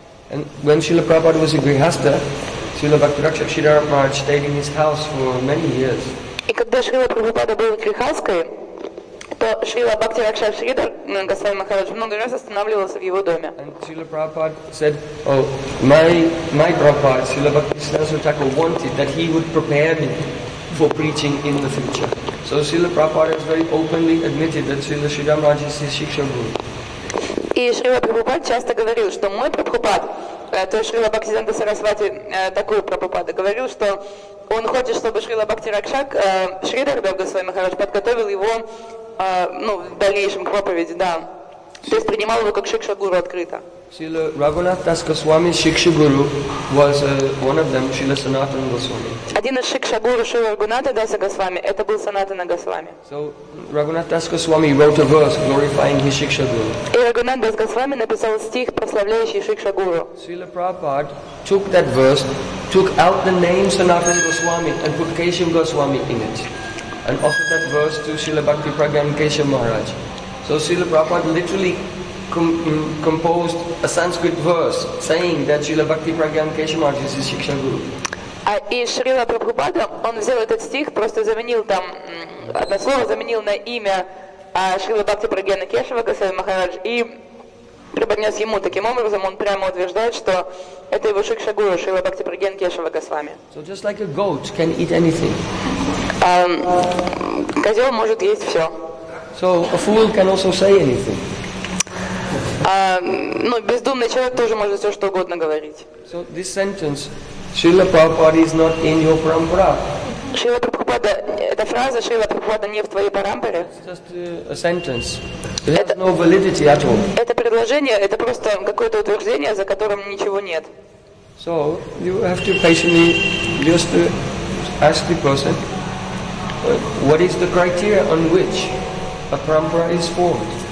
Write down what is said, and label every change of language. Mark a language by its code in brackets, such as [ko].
[en] And when Srila Prabhupada was a grihastha, Srila Bhaktirakshak Sridhar Maharaj stayed in his house for many years. [ru] И когда Шрила Прабхупада был грихасткой, то Шрила Бхактиракшак Шридар Госвами Махарадж много раз останавливался в его доме. [en] And Srila Prabhupada said, oh, my Prabhupada, Srila Bhaktisiddhanta Thakur wanted that he would prepare me for preaching in the future. So Srila Prabhupada has very openly admitted that Srila Sridhar Maharaj is his Shiksha Guru. [ru] И Шрила Прабхупада часто говорил, что мой Прабхупада, то есть Шрила Бхактисиддханта Сарасвати такой Прабхупада, говорил, что он хочет, чтобы Шрила Бхактиракшак Шридар Дев Госвами Махарадж подготовил его ну, в дальнейшем проповеди, да. То есть принимал его как Шикша Гуру открыто. [en] Srila Raghunath Das Goswami, Shiksha Guru, was one of them, Srila Sanatana Goswami. [ru] Один из Шикша Гуру, Шрила Рагхунатха Даса Госвами, это был Санатана Госвами. [en] So, Raghunath Das Goswami wrote a verse glorifying his Shiksha Guru. [ru] И Рагхунатха Дас Госвами написал стих, прославляющий Шикша Гуру. [en] Srila Prabhupada took that verse, took out the name Sanatana Goswami and put Keshav Goswami in it. And offered that verse to Srila Bhakti Pragyan Keshav Maharaj. So Srila Prabhupada literally composed a Sanskrit verse saying that Srila Bhakti Pragyan Keshav Maharaj is his Shiksha Guru. [ru] И Шрила Прабхупада, он взял этот стих, просто заменил там одно слово, заменил на имя Шрила Бхакти Прагьяна Кешава Госвами Махарадж и преподнес ему. Таким образом, он прямо утверждает, что это его Шикша Гуру, Шрила Бхакти Прагьяна Кешава Госвами. [en] So just like a goat can eat anything. [ru] Козел может есть все. [en] So a fool can also say anything. [ru] Ну, бездумный человек тоже может все что угодно говорить. [en] So this sentence, Srila Prabhupada is not in your parampara. [ru] Srila Prabhupada, эта фраза Srila Prabhupada не в твоей парампаре. [en] It's just a sentence. It has no validity at all. [ru] Это предложение, это просто какое-то утверждение, за которым ничего нет. [en] So you have to patiently just ask the person, what is the criteria on which a parampara is formed?